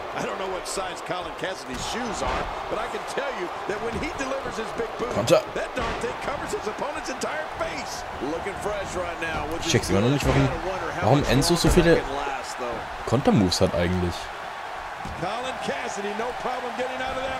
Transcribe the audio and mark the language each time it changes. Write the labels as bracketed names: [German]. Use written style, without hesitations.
[English] I don't know what size Colin Cassidy's shoes are, but I can tell you that when he delivers his big boot, that darn thing covers his opponent's entire face. Looking fresh right now. [German] Ich check's immer noch nicht, warum Enzo so viele Kontermoves hat eigentlich. [English] Colin Cassidy, no problem getting out of that.